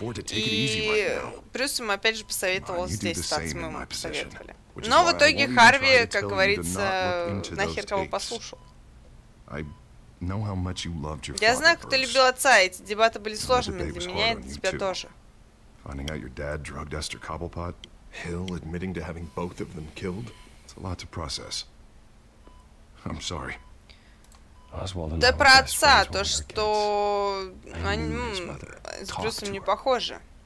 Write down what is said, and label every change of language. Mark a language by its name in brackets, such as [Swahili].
[Russian] И Брюс ему опять же посоветовал здесь остаться, мы ему посоветовали. Но в итоге Харви, как говорится, нахер кого послушал. Я знаю, кто любил отца, эти дебаты были сложными для меня и для тебя тоже. [English] Finding out your dad drugged Esther Cobblepot, Hill admitting to having both of them killed, it's a lot to process. I'm sorry. [Russian] Да про отца, то, что они с Брюсом не похожи.